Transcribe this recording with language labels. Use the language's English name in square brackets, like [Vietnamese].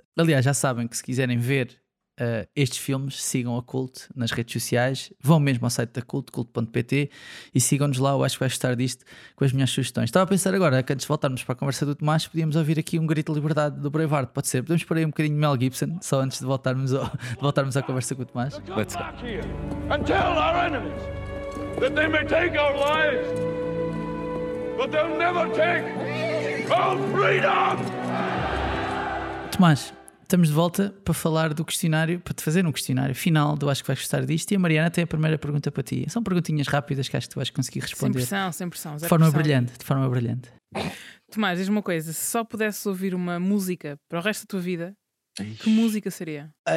[Portuguese] Aliás, já sabem que se quiserem ver estes filmes, sigam a Culto nas redes sociais, vão mesmo ao site da Culto, culto.pt, e sigam-nos lá, eu acho que vais gostar disto, com as minhas sugestões. Estava a pensar agora, que antes de voltarmos para a conversa do Tomás, podíamos ouvir aqui um grito de liberdade do Braveheart, pode ser? Podemos pôr aí um bocadinho de Mel Gibson, só antes de voltarmos à conversa com o Tomás? [English] Let's go. And tell our enemies that they may take our lives, but they'll never take our freedom! [Portuguese] Tomás, estamos de volta para falar do questionário, para te fazer um questionário final do Acho que Vais Gostar Disto. E a Mariana tem a primeira pergunta para ti. São perguntinhas rápidas que acho que tu vais conseguir responder. Sem pressão. De forma brilhante, de forma brilhante. Tomás, diz-me uma coisa. Se só pudesses ouvir uma música para o resto da tua vida, que música seria?